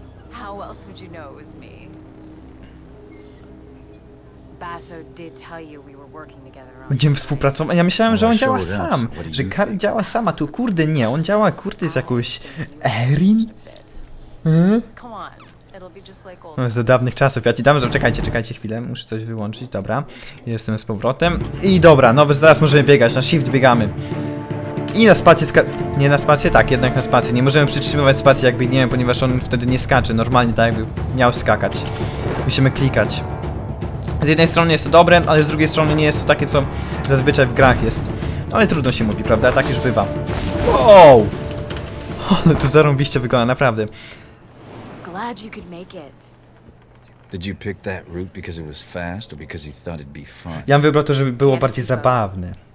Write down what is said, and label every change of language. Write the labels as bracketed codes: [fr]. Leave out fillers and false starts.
[en] How else would you know it was me? Basso did tell you we were working together on. [pl] Będziemy współpracować. Ja myślałem, że on działa sam. Że Kari działa sama, tu kurde nie, on działa kurde z jakąś Erin? [en] Come on, it'll be just like old. [pl] Z dawnych czasów. Ja ci dam, że czekajcie chwilę, muszę coś wyłączyć, dobra. Jestem z powrotem. I dobra, no więc teraz możemy biegać, na shift biegamy. I na spację nie na spację? Tak, jednak na spację. Nie możemy przytrzymywać spacji, jakby nie wiem, ponieważ on wtedy nie skacze. Normalnie tak jakby miał skakać. Musimy klikać. Z jednej strony jest to dobre, ale z drugiej strony nie jest to takie, co zazwyczaj w grach jest. No ale trudno się mówi, prawda? Tak już bywa. Wow! Ale to zarąbiście wygląda, naprawdę. [en] Glad you could make it. Did you pick that route because it was fast or because you thought it'd be fun? [pl] Ja bym wybrał to, żeby było bardziej zabawne.